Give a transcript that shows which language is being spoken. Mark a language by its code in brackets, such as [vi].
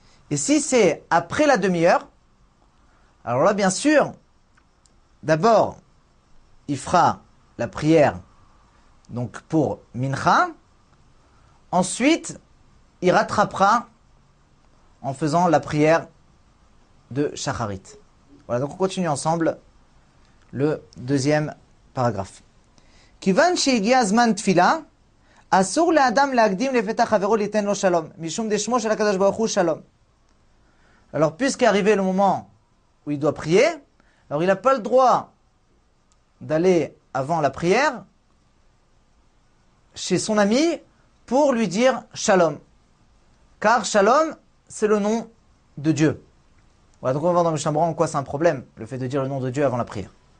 [fr] Et si c'est après la demi-heure, alors là, bien sûr, d'abord, il fera la prière donc pour Mincha, ensuite, il rattrapera en faisant la prière de Shacharit. Voilà, donc on continue ensemble le deuxième paragraphe. [he] כיוון שהגיע זמן תפילה, אסור לאדם להקדים לפתח חברו ליתן לו שלום, משום דשמו של הקדוש ברוך הוא שלום. [fr] Alors, puisqu'est arrivé le moment où il doit prier, alors il n'a pas le droit d'aller avant la prière chez son ami pour lui dire shalom. Car shalom, c'est le nom de Dieu. Voilà, donc on va voir dans le chambran en quoi c'est un problème, le fait de dire le nom de Dieu avant la prière.